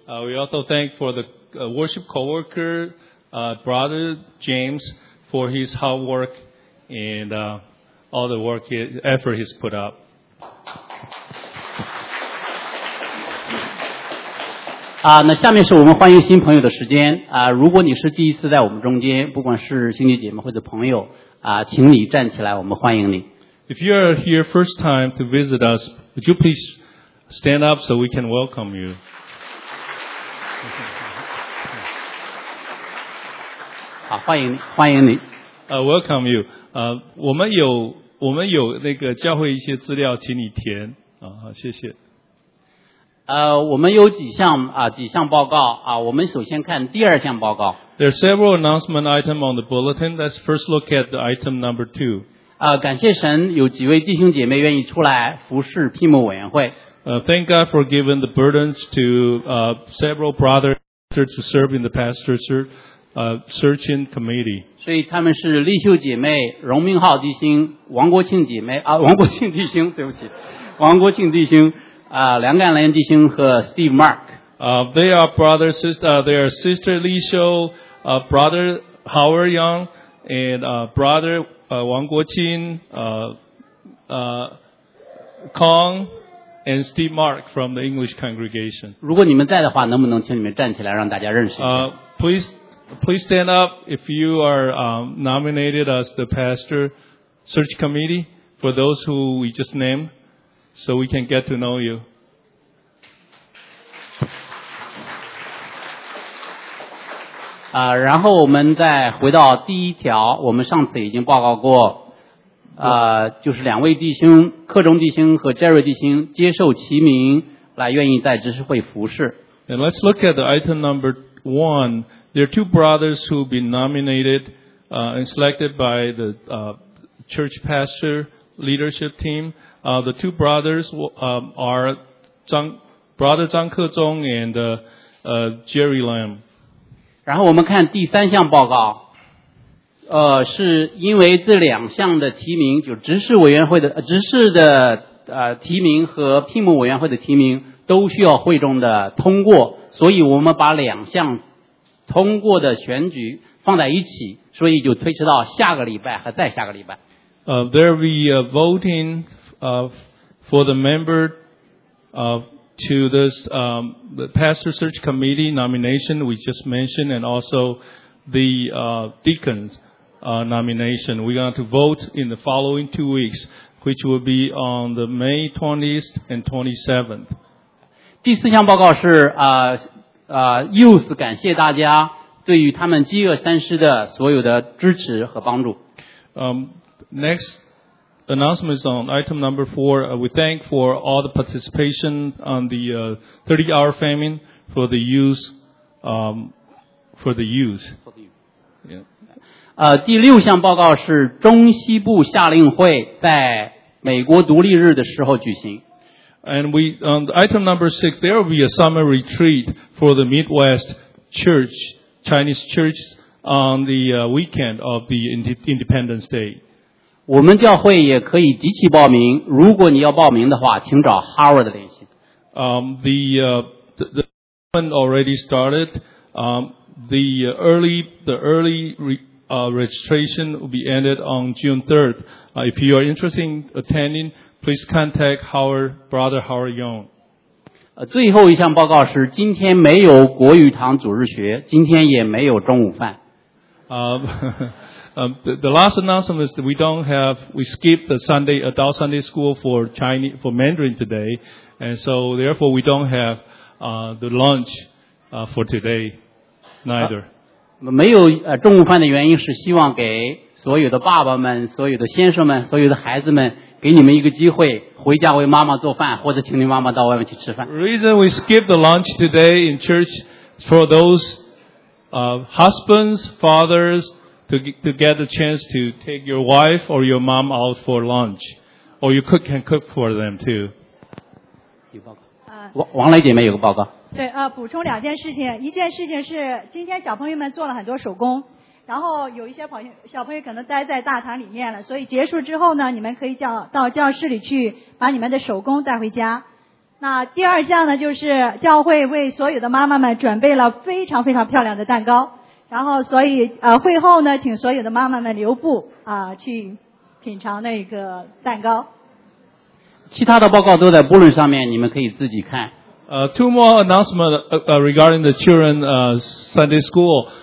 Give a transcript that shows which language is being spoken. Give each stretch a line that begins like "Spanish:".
English: We also thank for the worship co-worker, brother James, for his hard work and all the work, effort he's put up.
Chinese: 那下面是我们欢迎新朋友的时间。如果你是第一次在我们中间，不管是兄弟姐妹或者朋友，请你站起来，我们欢迎你。
English: If you are here first time to visit us, would you please stand up so we can welcome you?
Chinese: 好，欢迎你。
English: Welcome you.
Chinese: 我们有那个教会一些资料，请你填。好，谢谢。我们有几项报告啊。我们首先看第二项报告。
English: There are several announcement items on the bulletin. Let's first look at the item number two.
Chinese: 感谢神，有几位弟兄姐妹愿意出来服侍聘牧委员会。
English: Thank God for giving the burdens to several brothers to serve in the pastor's searching committee.
Chinese: 所以他们是丽秀姐妹、荣明浩弟兄、王国庆姐妹啊，王国庆弟兄，对不起，王国庆弟兄。梁干兰弟兄和 Steve Mark.
English: They are brother, sister, they are sister Li Xiu, brother Howard Young, and brother Wang Guoqin, Kong, and Steve Mark from the English congregation.
Chinese: 如果你们在的话，能不能请你们站起来让大家认识一下？
English: Please stand up if you are nominated as the pastor search committee for those who we just named. So we can get to know you.
Chinese: 然后我们再回到第一条，我们上次已经报告过，就是两位弟兄，克中弟兄和 Jerry 弟兄接受提名来愿意在执事会服侍。
English: And let's look at the item number one. There are two brothers who've been nominated, and selected by the, church pastor leadership team. The two brothers are brother Zhang Kezong and Jerry Lam.
Chinese: 然后我们看第三项报告，是因为这两项的提名，就执事委员会的执事的提名和聘牧委员会的提名都需要会众的通过，所以我们把两项通过的选举放在一起，所以就推迟到下个礼拜和再下个礼拜。
English: There will be a voting. For the member, to this, the pastor search committee nomination we just mentioned and also the, deacon's, nomination. We're going to vote in the following 2 weeks, which will be on the May 20th and 27th.
Chinese: 第四项报告是, youth 感谢大家对于他们饥饿三师的所有的支持和帮助。
English: Next,announcements on item number four. We thank for all the participation on the 30-hour famine for the youth. For the youth. Yeah.
Chinese: 第六项报告是中西部夏令会在美国独立日的时候举行。
English: And we on item number six, there will be a summer retreat for the Midwest Church Chinese Church on the weekend of the Independence Day.
Chinese: 我们教会也可以集体报名，如果你要报名的话，请找 Howard 联系。
English: The one already started. The early registration will be ended on June 3rd. If you are interested in attending, please contact Howard, Brother Howard Young.
Chinese: 最后一项报告是今天没有国语堂主日学，今天也没有中午饭。
English: The last announcement is that we skipped the Sunday, adult Sunday school for Chinese, for Mandarin today, and so therefore we don't have, the lunch, for today, neither.
Chinese: 没有中午饭的原因是希望给所有的爸爸们、所有的先生们、所有的孩子们给你们一个机会回家为妈妈做饭或者请你妈妈到外面去吃饭。
English: The reason we skip the lunch today in church for those、husbands, fathers, to get the chance to take your wife or your mom out for lunch. Or you cook, can cook for them too.
Chinese: 有报告。王雷姐妹有个报告。对、补充两件事情。一件事情是今天小朋友们做了很多手工。然后有一些小朋友可能待在大堂里面了，所以结束之后呢，你们可以叫到教室里去把你们的手工带回家。那第二项呢，就是教会为所有的妈妈们准备了非常非常漂亮的蛋糕，然后所以会后呢，请所有的妈妈们留步啊、去品尝那个蛋糕。其他的报告都在 bulletin 上面，你们可以自己看。
English: Two more announcements regarding the children Sunday school.